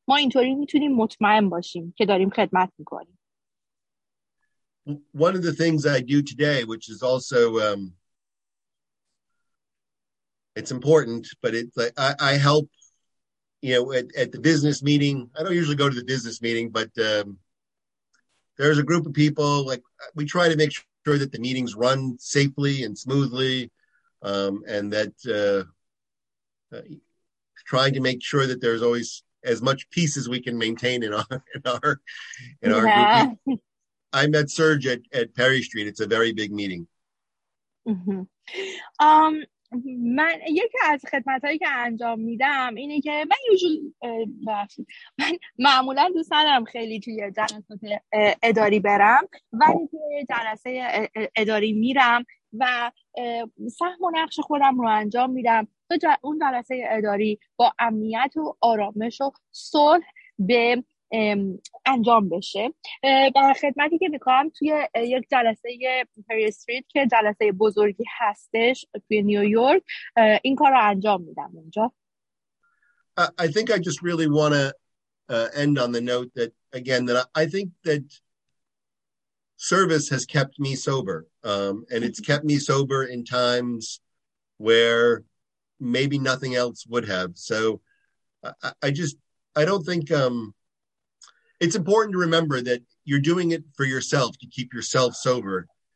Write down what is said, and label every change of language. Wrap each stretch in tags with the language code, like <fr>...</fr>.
<fa>ما اینطوری میتونیم مطمئن باشیم که داریم خدمت میکنیم.</fa> <en>One of the things I do today, which is also, it's important, but it's like I help, you know, at the business meeting. I don't usually go to the business meeting, but there's a group of people, like, we try to make sure that the meetings run safely and smoothly, and that trying to make sure that there's always as much peace as we can maintain in our yeah. group. I met Serge at Perry Street. It's a very big meeting. Mm-hmm.</en> <fa>من یکی از خدمتایی که انجام میدم اینه که من یوزوال من معمولا دوست ندارم خیلی توی جلسات اداری برم، ولی توی جلسه اداری میرم و سهم و نقش خودم رو انجام میدم تا اون جلسه اداری با امنیت و آرامش و صلح به انجام بشه. به خدمتی که میخوام توی یک جلسه پری استریت که جلسه بزرگی هستش توی نیویورک این کار رو انجام میدم اونجا.</fa> <en>I think I just really want to end on the note that again that I think that service has kept me sober, and it's kept me sober in times where maybe nothing else would have. So I don't think it's important to remember that you're doing it for yourself, to keep yourself sober.</en>